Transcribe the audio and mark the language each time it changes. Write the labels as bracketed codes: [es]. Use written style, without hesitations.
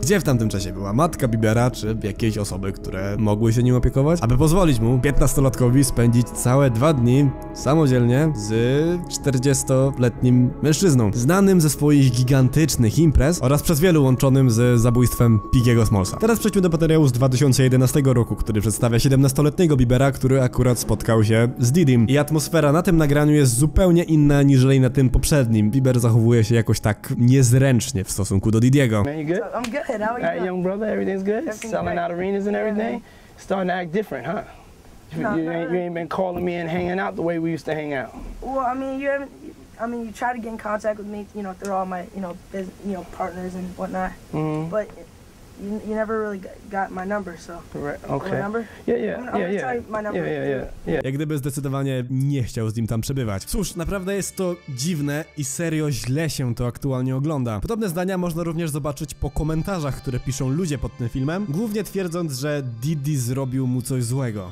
[pl] Gdzie w tamtym czasie była matka Biebera, czy jakieś osoby, które mogły się nim opiekować, aby pozwolić mu 15-latkowi spędzić całe dwa dni samodzielnie z 40-letnim mężczyzną, znanym ze swoich gigantycznych imprez oraz przez wielu łączonym z zabójstwem Piggiego Smallsa. Teraz przejdźmy do materiału z 2011 roku, który przedstawia 17-letniego Biebera, który akurat spotkał się z Diddym. I atmosfera na tym nagraniu jest zupełnie inna niż na tym poprzednim. Bieber zachowuje się jakoś tak niezręcznie w stosunku do Didiego. [en] Man, you good? I'm good. How are you? Hey, young brother, everything's good? Everything selling out arenas and everything? Yeah. Starting to act different, huh? You ain't been calling me and hanging out the way we used to hang out. Well, you try to get in contact with me, you know, through all my, you know, partners and whatnot. Mm-hmm. But you never really got my number, so. Right. Okay. My number? Yeah. [pl] Jak gdyby zdecydowanie nie chciał z nim tam przebywać. Cóż, naprawdę jest to dziwne i serio źle się to aktualnie ogląda. Podobne zdania można również zobaczyć po komentarzach, które piszą ludzie pod tym filmem, głównie twierdząc, że Didi zrobił mu coś złego.